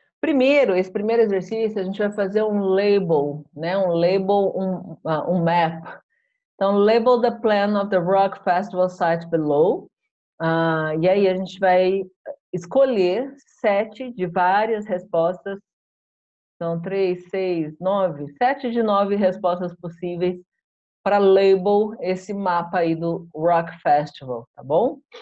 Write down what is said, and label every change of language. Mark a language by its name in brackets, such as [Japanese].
[Portuguese] Primeiro, esse primeiro exercício, a gente vai fazer um label, né? Um label, um map. [English] Então, label the plan of the Rock Festival site below. [Portuguese] E aí a gente vai escolher sete de várias respostas. São três, seis, nove, sete de nove respostas possíveis para label esse mapa aí do Rock Festival, tá bom?